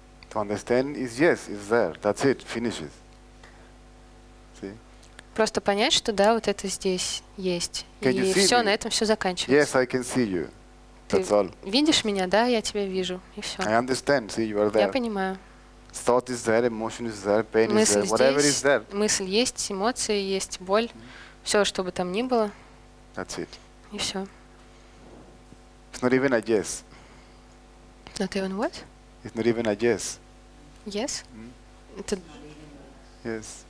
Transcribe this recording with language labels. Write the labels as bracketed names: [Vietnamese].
[English] To understand is yes, is there. That's it. Finishes. See? [Russian] Просто понять, что да, вот это здесь есть. И все, на этом все заканчивается. [English] Yes, I can see you. That's all. [Russian] Видишь меня, да, я тебя вижу. И все. [English] I understand. See, you are there. [Russian] Я понимаю. [English] Thought is there, emotion is there, pain is there, whatever is there. [Russian] Мысль есть, эмоции есть, боль. Все, что бы там ни было. [English] That's it. [Russian] И все. [English] It's not even a yes. Not even what? It's not even a yes. Yes? [Russian] Это... [English] Yes.